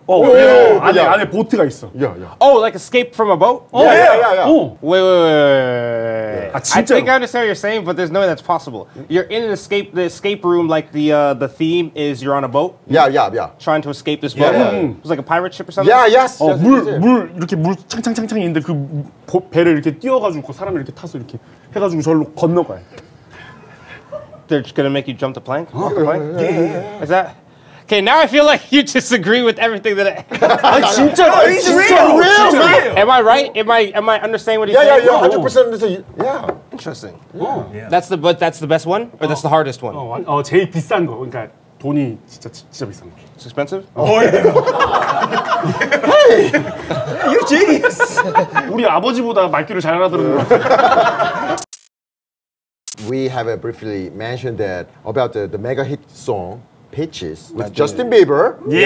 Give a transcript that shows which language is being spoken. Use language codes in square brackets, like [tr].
[ko] Oh, yeah. 안에 보트가 있어. [en] Yeah. Oh, like escape from a boat? Yeah. Oh. Wait. Yeah. I think I understand what you're saying, but there's no way that's possible. You're in an escape. The escape room, like the theme is you're on a boat. Yeah. Trying to escape this boat. Yeah. It's like a pirate ship or something. Yeah. Yes. [ko] Oh, 물 이렇게 물 창창창창 있는데 그 배를 이렇게 띄워가지고 사람을 이렇게 타서 이렇게 해가지고 절로 건너가요. [en] They're just gonna make you jump the plank. Yeah. Is that? Okay, now I feel like you disagree with everything that I said. No, it's real, man. Am I right? Am I understanding what he's saying? Yeah, 100% understand. Yeah. Interesting. Yeah. Yeah. That's the best one? Or that's the hardest one? [ko] Oh, 제일 비싼 거. 그러니까 돈이 진짜 비싼 거. [en] It's expensive? Oh, yeah. Hey! You're genius. [ko] 우리 아버지보다 말귀를 잘 알아들은 거 같아. [en] We have briefly mentioned that about the mega hit song. Pitches with Justin Bieber.